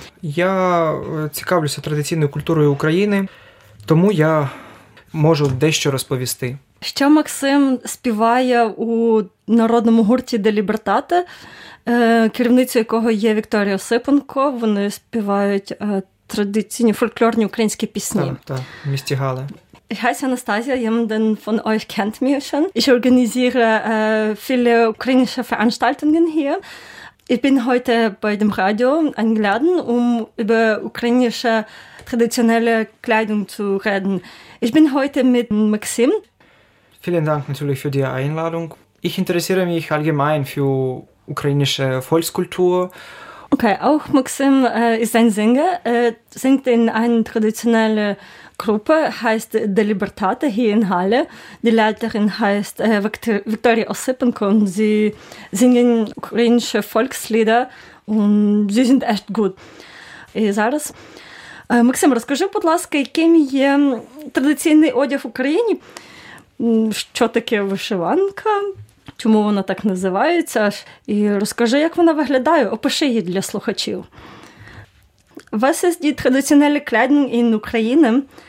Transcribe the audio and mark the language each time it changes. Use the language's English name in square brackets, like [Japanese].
[Ukrainian] Я цікавлюся традиційною культурою України, тому я можу дещо розповісти. Ще Максим співає у народному гурті «De Libertate», керівницею якого є Вікторія Осипенко. Вони співають традиційні фольклорні українські пісні. Так, так, місті Гале. [German] Heißt Anastasia, jemanden von euch kennt mich schon. Ich organisiere viele ukrainische Veranstaltungen hier. Ich bin heute bei dem Radio eingeladen, um über ukrainische traditionelle Kleidung zu reden. Ich bin heute mit Maxim. Vielen Dank natürlich für die Einladung. Ich interessiere mich allgemein für ukrainische Volkskultur. Okay, auch Maxim ist ein Sänger, singt in einer traditionellen Gruppe, heißt De Libertate hier in Halle. Die Leiterin heißt Viktoria Osipenko und sie singen ukrainische Volkslieder und sie sind echt gut. [Ukrainian] Зараз. Максим, розкажи, будь ласка, яким є традиційний одяг в Україні? Що таке вишиванка? Чому вона так називається? І розкажи, як вона виглядає. Опиши її для слухачів. [German] Was ist die traditionelle Kleidung in Ukraine?